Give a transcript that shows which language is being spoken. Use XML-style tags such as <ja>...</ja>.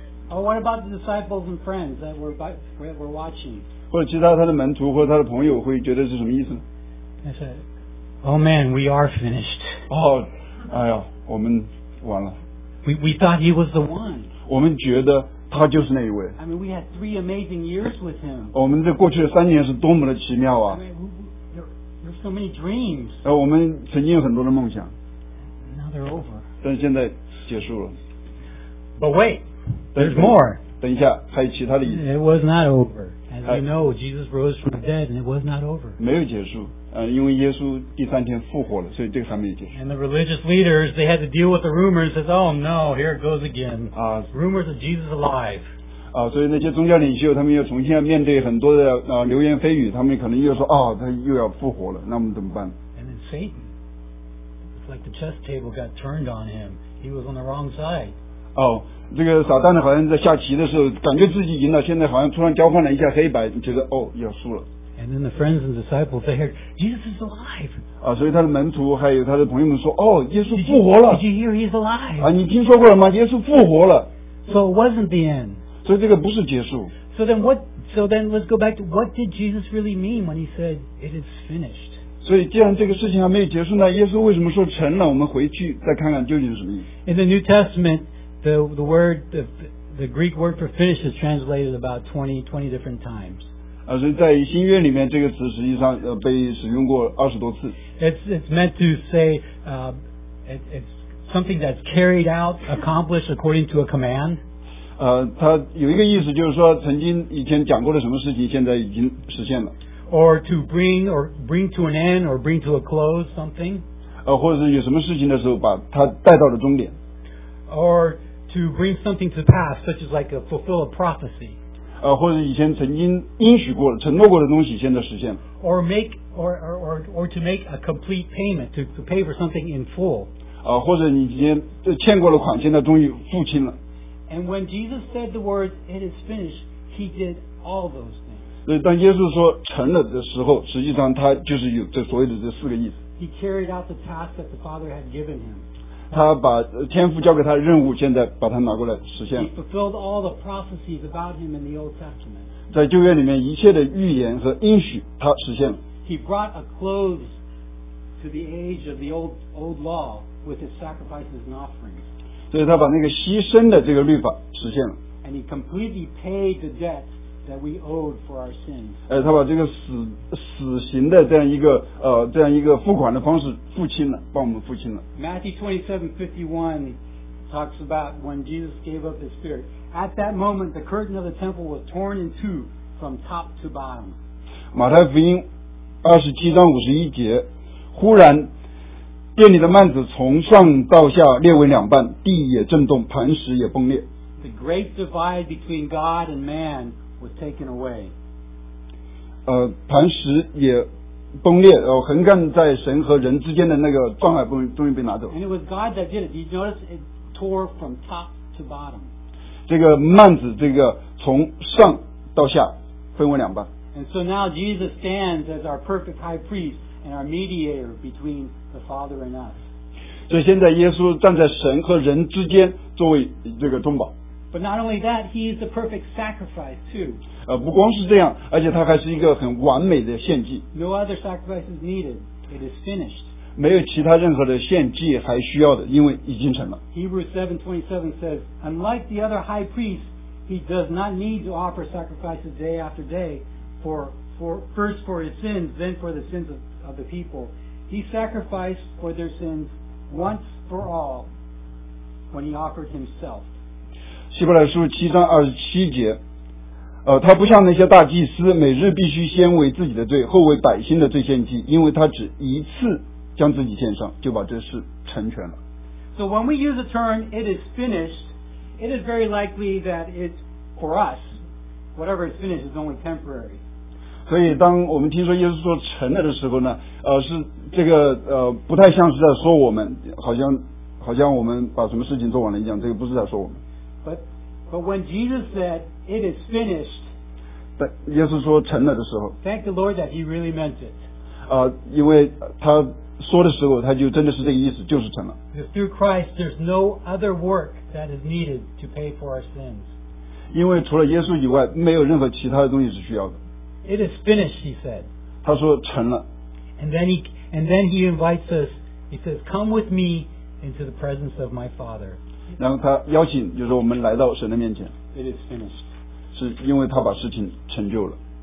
<en>Or what about the disciples and friends that were watching?</en> <zh>或者其他的门徒或者他的朋友会觉得是什么意思呢？</zh> <en>I said, "Oh man, we are finished."</en> <zh>Oh, 哎呀，我们完了。</zh> <en>We thought he was the one.</en> <zh>我们觉得他就是那一位。</zh> <en>I mean, we had three amazing years with him.</en> <zh>我们这过去的三年是多么的奇妙啊！</zh> <en>I mean, there's so many dreams.</en> <zh>我们曾经有很多的梦想。</zh> <en>Now they're over.</en> <zh>但是现在结束了。</zh> <en>But wait, there's more.</en> <zh>等一下，还有其他的意思。</zh> <en>It was not over. As we know, Jesus rose from the dead, and it was not over.</en> <zh>没有结束。因为耶稣第三天复活了，所以这个还没有结束。</zh> <en>And the religious leaders, they had to deal with the rumors. Says, "Oh no, here it goes again." Rumors of Jesus alive.</en> <zh>啊，所以那些宗教领袖他们又重新要面对很多的啊流言蜚语，他们可能又说啊、哦、他又要复活了，那我们怎么办？</zh> <en>And then Satan, it's like the chess table got turned on him. He was on the wrong side.</en> <zh>哦，这个撒旦好像在下棋的时候感觉自己赢了，现在好像突然交换了一下黑白，觉得哦要输了。</zh> <en>And then the friends and disciples they heard Jesus is alive.</en> <zh>啊，所以他的门徒还有他的朋友们说，哦，耶稣复活了。</zh> <en>Did you hear he's alive?</en> <zh>啊，你听说过了吗？耶稣复活了。</zh> <en>So it wasn't the end.</en> <zh>所以这个不是结束。</zh> <en>So then let's go back to what did Jesus really mean when he said it is finished?</en> <zh>所以既然这个事情还没有结束呢，耶稣为什么说成了？我们回去再看看究竟是什么意思。</zh> <en>In the New Testament, the Greek word for finished is translated about 20 different times.</en> <zh>所以在新约里面这个词实际上被使用过20多次。</zh> <en>It's meant to say, it's something that's carried out, accomplished according to a command.</en> <zh>它有一个意思就是说曾经以前讲过的什么事情现在已经实现了。</zh> <en>Or bring to an end or bring to a close something.</en> <zh>或者是有什么事情的时候把它带到了终点。</zh> <en>Or to bring something to pass, such as like a fulfill a prophecy.</en> <zh>或者以前曾经应许过的承诺过的东西现在实现了</zh> <en>or to make a complete payment to pay for something in full、</en> <zh>或者你以前欠过的款现在终于付清了</zh> <en>and when Jesus said the words it is finished he did all those things</en> <zh>所以当耶稣说成了的时候实际上他就是有这所谓的这四个意思</zh> <en>he carried out the task that the Father had given him</en> <zh>他把天父交给他的任务现在把他拿过来实现了</zh> <en>he fulfilled all the prophecies about him in the Old Testament</en> <zh>在旧约里面一切的预言和应许他实现了</zh> <en>he brought a close to the age of the old law with his sacrifices and offerings</en> <zh>所以他把那个牺牲的这个律法实现了</zh> <en>and he completely paid the debt that we owed for our sins</en> <zh>他把这个死刑的这样一个付款的方式付清了帮我们付清了</zh> <en>Matthew 27:51 talks about when Jesus gave up his spirit at that moment the curtain of the temple was torn in two from top to bottom</en> <zh>马太福音27:51忽然殿里的幔子从上到下裂为两半地也震动磐石也崩裂</zh> <en>the great divide between God and man was taken away</en> <zh>磐石也崩裂横杠在神和人之间的那个障碍终于被拿走</zh> <en>and it was God that did it did you notice it tore from top to bottom</en> <zh>这个幔子这个从上到下分为两半</zh> <en>and so now Jesus stands as our perfect high priest and our mediator between the Father and us</en> <zh>所以现在耶稣站在神和人之间作为这个中保</zh> <en>but not only that he is the perfect sacrifice too</en> <zh>不光是这样而且他还是一个很完美的献祭</zh> <en>no other sacrifice is needed it is finished</en> <zh>没有其他任何的献祭还需要的因为已经成了</zh> <en>Hebrews 7:27 says unlike the other high priest he does not need to offer sacrifices day after day first for his sins then for the sins of the people he sacrificed for their sins once for all when he offered himself</en> <zh>希伯来书7:27他不像那些大祭司每日必须先为自己的罪后为百姓的罪献祭因为他只一次将自己献上就把这事成全了</zh> <en>So when we use the term it is finished it is very likely that it's for us whatever is finished is only temporary</en> <zh>所以当我们听说耶稣说成了的时候呢是这个不太像是在说我们好像我们把什么事情做完了一样这个不是在说我们</zh> <en>But when Jesus saidIt is finished.</en> <zh>但耶稣说成了的时候</zh> <en>Thank the Lord that he really meant it.</en> <zh>因为他说的时候他就真的是这个意思就是成了</zh> <en>Because through Christ there's no other work that is needed to pay for our sins.</en> <zh>因为除了耶稣以外没有任何其他的东西是需要的</zh> <en>It is finished, he said.</en> <zh>他说成了</zh> <en>And then he invites us, he says, come with me into the presence of my Father.</en> <zh>然后他邀请就是我们来到神的面前</zh> <en>It is finished.</en> <zh>是因为他把事情成就了。</zh>